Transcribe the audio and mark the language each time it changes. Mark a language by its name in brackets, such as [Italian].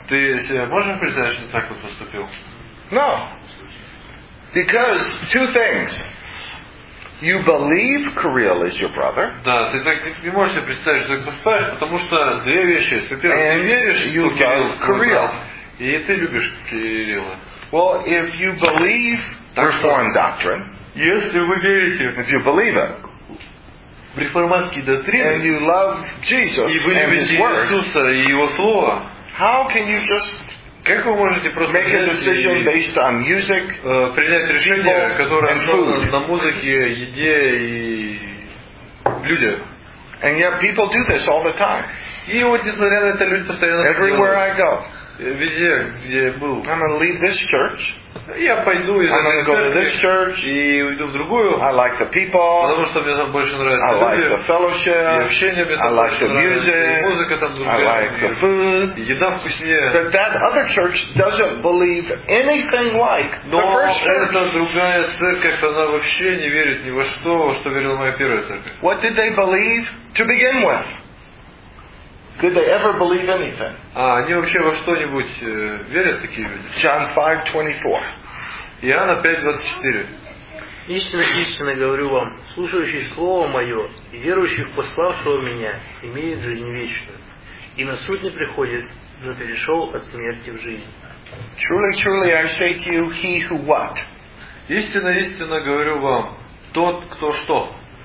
[Russian] Ты себе можешь представить, что так вот поступил? [English] No. Because two things. You believe Kirill is your brother. [Russian] Да, ты так не можешь себе представить, что так поступаешь, потому что две вещи. Во-первых, ты веришь, что Кирилл твой [English] Kirill. [Russian] Брат. И ты любишь Кирилла. [English] Well, if you believe [Russian] так [English] Reformed [Russian] что? [English] Doctrine. [Russian] Если вы верите. [English] If you believe it. [Russian] Реформатские доктрины. [English] And you love Jesus [Russian] и вы любите Иисуса и Его Слово. [English] How can you just [Russian] как вы можете просто [English] make a decision based on music, [Russian] принять решение, которое основано на музыке, еде и людях? [English] And yet people do this all the time. [Russian] И вот несмотря на это люди постоянно. [English] Everywhere I go. [Russian] Везде, где я был. [English] I'm gonna leave this church. [Russian] Я пойду из [English] I'm gonna go to this church. [Russian] И уйду в другую. [English] I like the people. [Russian] Потому что мне там больше нравится. [English] I like the fellowship. [Russian] И общение мне там [English] I like the [Russian] нравится. [English] Music. [Russian] И музыка там другая. [English] I like the food. [Russian] Еда вкуснее. [English] But that other church doesn't believe anything like [Russian] Но [English] the first church. [Russian] Эта другая церковь, она вообще не верит ни во что, что верила моя первая церковь. [English] What did they believe to begin with? Did they ever believe anything? [Russian] А они вообще во что-нибудь верят такие люди? John 5:24. Иоанна 5:24. Истинно, истинно говорю вам, слушающий слово мое и верующий в пославшего меня имеет жизнь вечную, и на суд не приходит, но перешел от смерти в жизнь. [English] Truly, truly, I say to you, he who what? [Russian] Истинно, истинно говорю вам, тот, кто что?